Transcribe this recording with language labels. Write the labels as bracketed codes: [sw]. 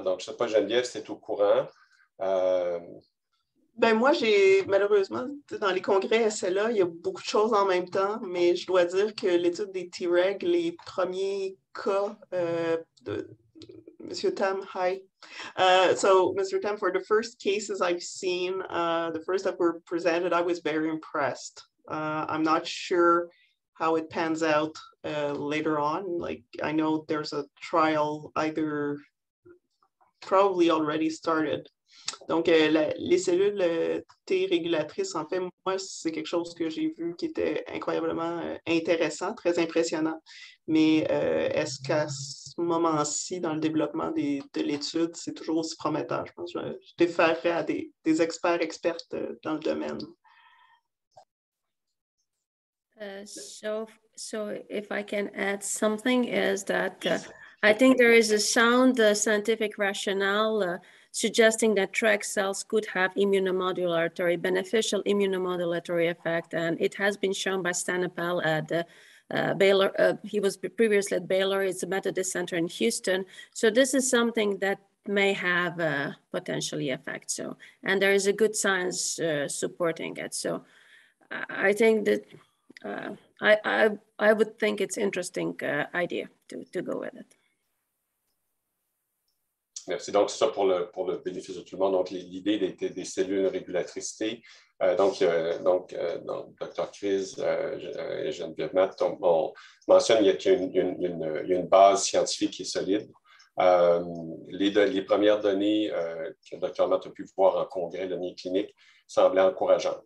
[fr] Donc, je ne sais pas, Geneviève, c'est au courant. Ben moi, j'ai malheureusement, dans les congrès SLA, il y a beaucoup de choses en même temps, mais je dois dire que l'étude des T-Reg, les premiers cas de Monsieur Tam, hi. [en] So, Mr. Tam, for the first cases I've seen, the first that were presented, I was very impressed. I'm not sure how it pans out later on. Like, I know there's a trial either probably already started. [fr] Donc, les cellules T régulatrices, en fait, moi, c'est quelque chose que j'ai vu qui était incroyablement intéressant, très impressionnant. Mais est-ce qu'à ce moment-ci, dans le développement de l'étude, c'est toujours aussi prometteur? Je pense que je déférerai à des expertes dans le domaine. [en] So if I can add something, is that I think there is a sound scientific rationale suggesting that TRAC cells could have beneficial immunomodulatory effect. And it has been shown by Stan Appel at Baylor. He was previously at Baylor. It's a Methodist Center in Houston. So this is something that may have a potentially effect. So, and there is a good science supporting it. So I think that I would think it's interesting idea to go with it. [fr] Merci. Donc, c'est ça pour le bénéfice de tout le monde. Donc, l'idée des cellules régulatrices T. Donc, Dr. Chris et Geneviève Matt, on mentionne qu'il y a une base scientifique qui est solide. Les premières données que le Dr Mott a pu voir en congrès de données cliniques semblaient encourageantes.